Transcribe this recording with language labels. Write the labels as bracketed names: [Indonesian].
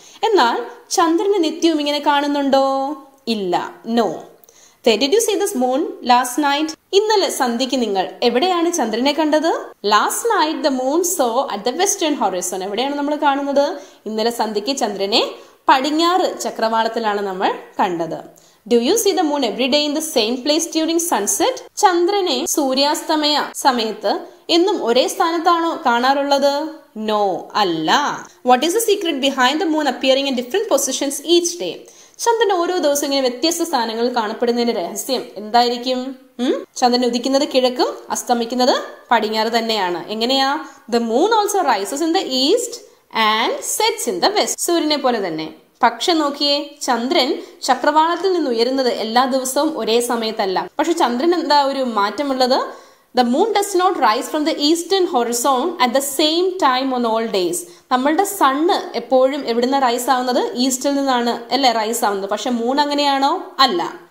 [Malayalam] എന്നാൽ ചന്ദ്രനെ നിത്യവും ഇങ്ങനെ കാണുന്നുണ്ടോ? ഇല്ല. No. [English] Did you see this moon last night? [Malayalam] ഇന്നലെ സന്ധ്യയ്ക്ക് നിങ്ങൾ എവിടെയാണ് ചന്ദ്രനെ കണ്ടത്? [English] Last night the moon saw at the western horizon. [Malayalam] എവിടെയാണ് നമ്മൾ കാണുന്നത്? ഇന്നലെ സന്ധ്യയ്ക്ക് ചന്ദ്രനെ പടിഞ്ഞാറ് ചക്രവാളത്തിലാണ് നമ്മൾ കണ്ടത്. [English] Do you see the moon every day in the same place during sunset? [Malayalam] ചന്ദ്രനെ സൂര്യാസ്തമയ സമയത്ത് എന്നും ഒരേ സ്ഥാനത്താണോ കാണാറുള്ളത്? നോ, അല്ല. [English] What is the secret behind the moon appearing in different positions each day? [Malayalam] ചന്ദ്രൻ ഓരോ ദിവസവും ഇങ്ങനെ വ്യത്യസ്ത സ്ഥാനങ്ങളിൽ കാണപ്പെടുന്നതിന്റെ രഹസ്യം എന്തായിരിക്കും? ചന്ദ്രൻ ഉദിക്കുന്നത് കിഴക്കും അസ്തമിക്കുന്നത് പടിഞ്ഞാറ് തന്നെയാണ്. എങ്ങനെയാ? [English] The moon also rises in the east and sets in the west. [Malayalam] സൂര്യനെ പോലെ തന്നെ. പക്ഷെ നോക്കിയേ, ചന്ദ്രൻ ചക്രവാളത്തിൽ നിന്ന് ഉയരുന്നത് എല്ലാ ദിവസവും ഒരേ സമയത്തല്ല. പക്ഷെ ചന്ദ്രൻ എന്താ ഒരു മാറ്റമുള്ളത്? [English] The moon does not rise from the eastern horizon at the same time on all days. [Malayalam] നമ്മളുടെ സണ്ണ് എപ്പോഴും എവിടുന്ന റൈസ് ആവുന്നത്? ഈസ്റ്റിൽ നിന്നാണ് അല്ലേ റൈസ് ആവുന്നത്. പക്ഷെ മൂൺ അങ്ങനെയാണോ? അല്ല.